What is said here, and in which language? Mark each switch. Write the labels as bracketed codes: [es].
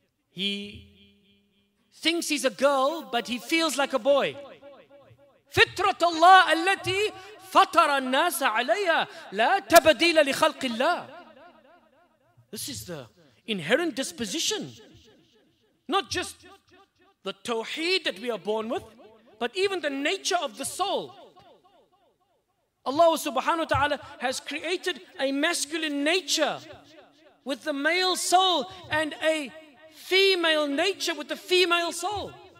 [en] He thinks he's a girl, but he feels like a boy. Fitrat Allah allati [ar] فطر الناس عليها لا تبديل لخلق الله. [en] This is the inherent disposition. Not just the tawheed that we are born with, but even the nature of the soul. Allah subhanahu wa ta'ala has created a masculine nature with the male soul and a female nature with the female soul.